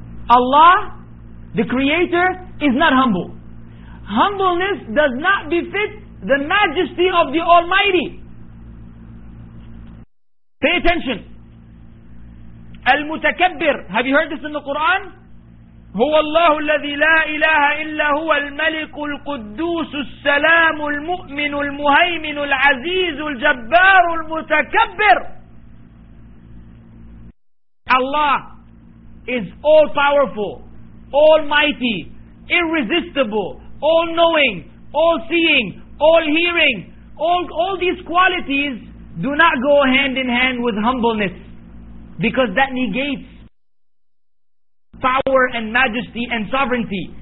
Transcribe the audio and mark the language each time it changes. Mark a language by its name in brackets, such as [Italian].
[English] Allah, the Creator, is not humble. Humbleness does not befit the majesty of the Almighty. Pay attention. Al-Mutakabbir. Have you heard this in the Quran? [Arabic] هو الله الذي لا إله إلا هو الملك القدوس السلام المؤمن المهيمن العزيز الجبار المتكبر. [English] Allah is all powerful, almighty, irresistible, all knowing, all seeing, all hearing. All these qualities do not go hand in hand with humbleness, because that negates power and majesty and sovereignty.